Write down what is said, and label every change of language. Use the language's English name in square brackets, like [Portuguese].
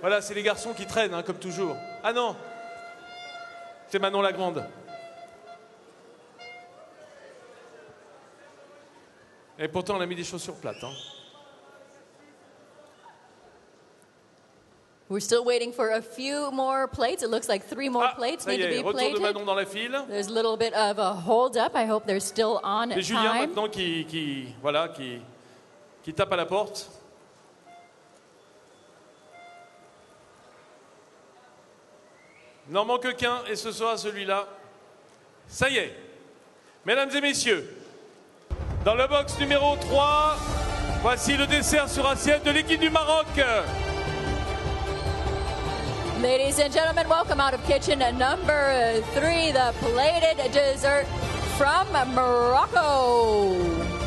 [French] Voilà, c'est les garçons qui traînent, hein, comme toujours. Ah non ! C'est Manon la Grande. Et pourtant, elle a mis des chaussures plates. Hein. [English] We're still waiting for a few more plates. It looks like three more plates need to be [French] retour [English] plated. [French] Retour de Manon dans la file. [English] There's a little bit of a hold up. I hope they're still on time. [French] Et Julien, maintenant, qui tape à la porte. Il n'en manque qu'un, et ce sera celui-là. Ça y est. Mesdames et messieurs, dans le box numéro 3, voici le dessert sur assiette de l'équipe du Maroc. [English] Ladies and gentlemen, welcome out of kitchen number 3, the plated dessert from Morocco.